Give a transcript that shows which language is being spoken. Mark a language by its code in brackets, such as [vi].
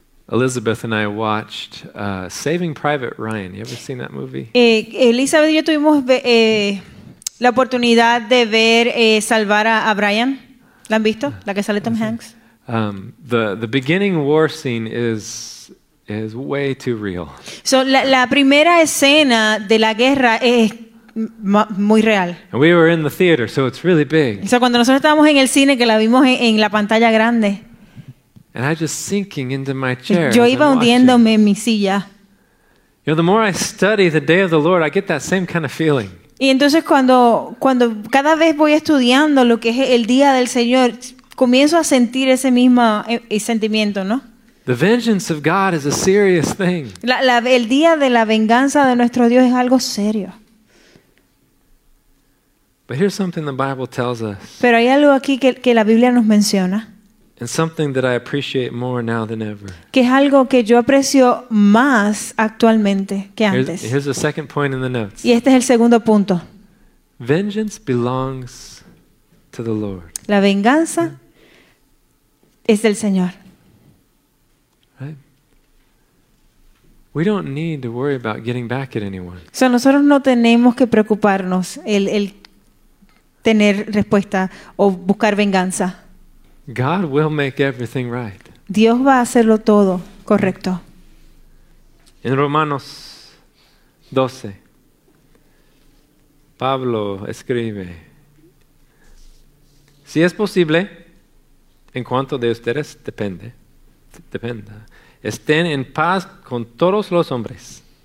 [en] Elizabeth and I watched Saving Private Ryan. You ever seen that movie? [es] Elizabeth y yo tuvimos la oportunidad de ver Salvar a Brian. ¿La han visto? La que sale Tom Hanks. [en] The beginning war scene is way too real. [es] So la primera escena de la guerra es muy real. [en] And we were in the theater, so it's really big. [es] O sea, cuando nosotros estábamos en el cine que la vimos en la pantalla grande. [en] And I just sinking into my chair. [es] Yo iba hundiéndome en mi silla. [en] You know, the more I study the day of the Lord, I get that same kind of feeling. [es] Y entonces cuando cada vez voy estudiando lo que es el día del Señor, comienzo a sentir ese mismo sentimiento, ¿no? [en] The vengeance of God is a serious thing. [es] El día de la venganza de nuestro Dios es algo serio. [en] But here's something the Bible tells us. [es] Pero hay algo aquí que la Biblia nos menciona. [en] And something that I appreciate more now than ever. [es] Que es algo que yo aprecio más actualmente que antes. [en] Here's the second point in the notes. [es] Y este es el segundo punto. [en] Vengeance belongs to the Lord. [es] La venganza es del Señor. [en] Right? We don't need to worry about getting back at anyone. [es] So nosotros no tenemos que preocuparnos el tener respuesta o buscar venganza. [en] God will make everything right. [es] Dios va a hacerlo todo correcto. En Romanos 12, Pablo escribe, si es posible, en cuanto de ustedes dependa, estén en paz con todos los hombres.